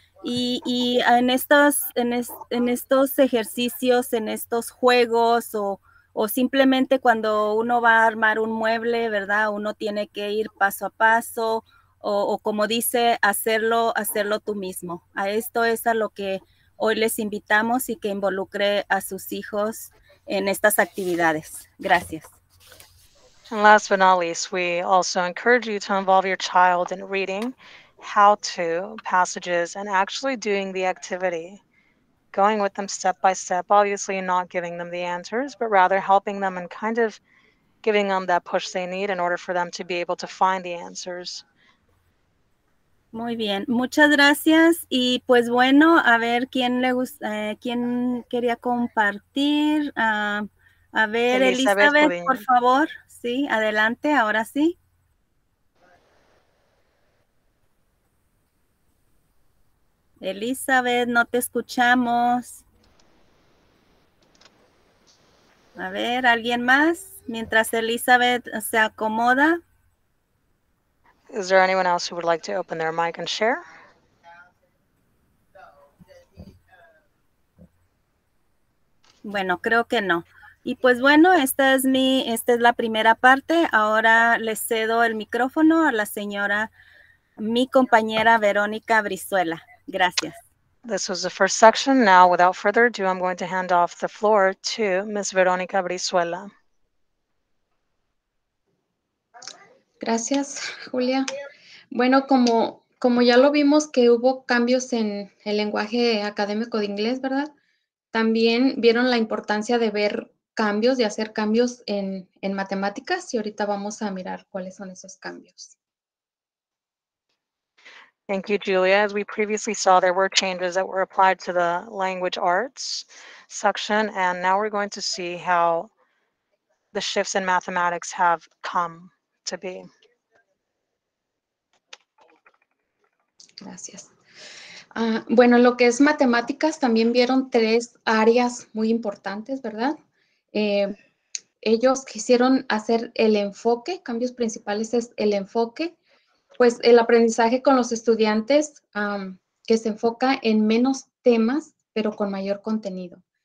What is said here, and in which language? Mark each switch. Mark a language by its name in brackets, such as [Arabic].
[Spanish] Y en estos ejercicios, en estos juegos o simplemente cuando uno va a armar un mueble, ¿verdad? Uno tiene que ir paso a paso o como dice, hacerlo tú mismo. A esto es a lo que hoy les invitamos y que involucre a sus hijos en estas actividades. Gracias. [English] And last but not least, we also encourage you to involve your child in reading how-to passages and actually doing the activity, going with them step by step, obviously not giving them the answers, but rather helping them and kind of giving them that push they need in order for them to be able to find the answers. [Spanish] Muy bien, muchas gracias. Y pues bueno, a ver quién le gusta, quién quería compartir. A ver, Elizabeth, por favor. Sí, adelante, ahora sí. Elizabeth, no te escuchamos. A ver, ¿alguien más? Mientras Elizabeth se acomoda. [English] Is there anyone else who would like to open their mic and share? [Spanish] Bueno, creo que no. Y pues bueno, esta es la primera parte. Ahora le cedo el micrófono a la señora, mi compañera Verónica Brizuela. Gracias. [English] This was the first section. Now, without further ado, I'm going to hand off the floor to Ms. Verónica Brizuela. [Spanish] Gracias, Julia. Bueno, como ya lo vimos que hubo cambios en el lenguaje académico de inglés, ¿verdad? También vieron la importancia de ver cambios, de hacer cambios en matemáticas, y ahorita vamos a mirar cuáles son esos cambios. [English] Thank you, Julia. As we previously saw, there were changes that were applied to the language arts section, and now we're going to see how the shifts in mathematics have come to be. [Spanish] Gracias. Bueno, lo que es matemáticas, también vieron tres áreas muy importantes, ¿verdad? Ellos quisieron hacer el enfoque, cambios principales es el enfoque, pues el aprendizaje con los estudiantes que se enfoca en menos temas, pero con mayor contenido.